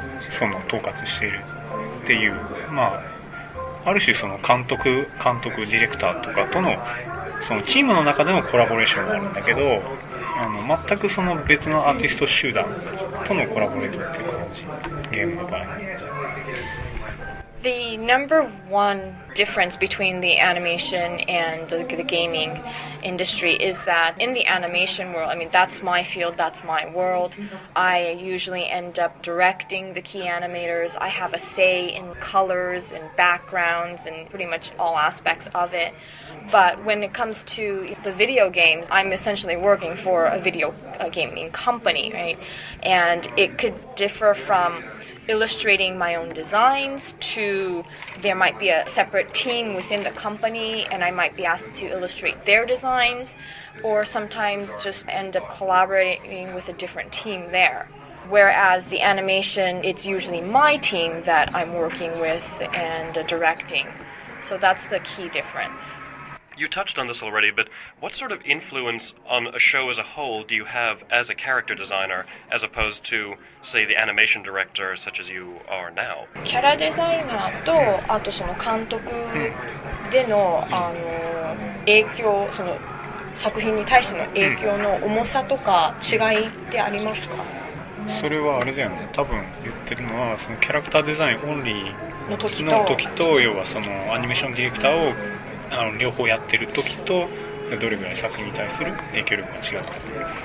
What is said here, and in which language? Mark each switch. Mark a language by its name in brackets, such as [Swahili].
[Japanese] その統括しているっていう、まあある種その監督ディレクターとかとのそのチームの中でのコラボレーションがあるんだけど、あの全くその別のアーティスト集団とのコラボレートっていう感じ。 [English] The number one difference between the animation and the gaming industry is that in the animation world, I mean, that's my field, that's my world. I usually end up directing the key animators. I have a say in colors and backgrounds and pretty much all aspects of it. But when it comes to the video games, I'm essentially working for a video gaming company, right? And it could differ from illustrating my own designs to there might be a separate team within the company and I might be asked to illustrate their designs, or sometimes just end up collaborating with a different team there. Whereas the animation, it's usually my team that I'm working with and directing. So that's the key difference. You touched on this already, but what sort of influence on a show as a whole do you have as a character designer as opposed to, say, the animation director such as you are now? [Japanese] キャラデザイナーと、あとその監督での、あの、影響、その作品に対しての影響の重さとか違いってありますか？それはあれだよね。多分言ってるのはそのキャラクターデザインオンリーの時と、要はそのアニメーションディレクターをあの両方やってる時とどれぐらい作品に対する影響力が違うか。